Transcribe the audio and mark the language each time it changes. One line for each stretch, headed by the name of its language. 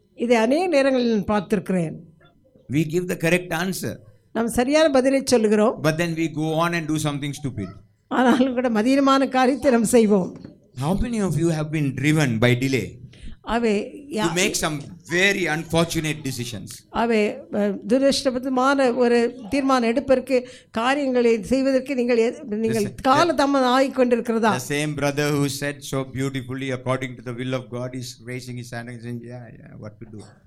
Tamil: இதை அநேக நேரங்களில் பார்த்திருக்கிறேன்.
English: We give the correct answer.
Tamil: நாம் சரியான பதிலை சொல்கிறோம்.
English: But then we go on and do something stupid.
Tamil: ஆனாலும் கூட மதியமான காரியத்தை நாம் செய்வோம்.
English: How many of you have been driven by delay? Away to make some very unfortunate decisions.
Tamil: அவே துரதிருஷ்டவசமான ஒரு தீர்மானம் எடுப்பதற்கு, காரியங்களை செய்வதற்கு நீங்கள் கால தாமதம் ஆகிக்கொண்டிருக்கிறதா?
English: The same brother who said so beautifully according to the will of God is raising his hand and saying, yeah, what to do?